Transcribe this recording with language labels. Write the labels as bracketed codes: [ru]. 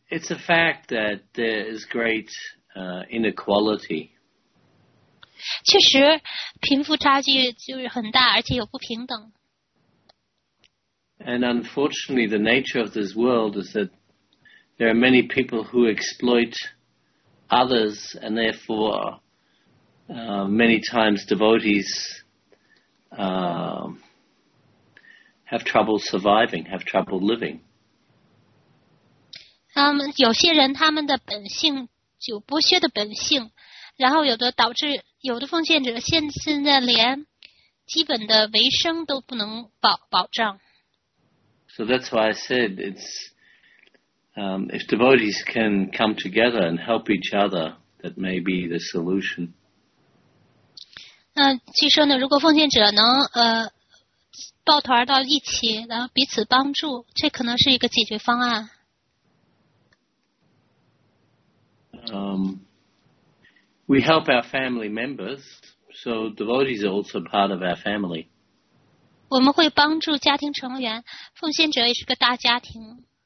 [en] It's a fact that there is great inequality. [zh] 确实，贫富差距就是很大，而且有不平等。 [en] And unfortunately, the nature of this world is that there are many people who exploit others, and therefore, many times devotees have trouble surviving, have trouble living. [zh] 有些人他们的本性就剥削的本性，然后有的导致有的奉献者现在连基本的维生都不能保障。 [en] So that's why I said it's if devotees can come together and help each other, that may be the solution. [zh] 据说呢，如果奉献者能抱团到一起，然后彼此帮助，这可能是一个解决方案。 [en] We help our family members, so devotees are also part of our family. [zh] 我们会帮助家庭成员，奉献者也是个大家庭。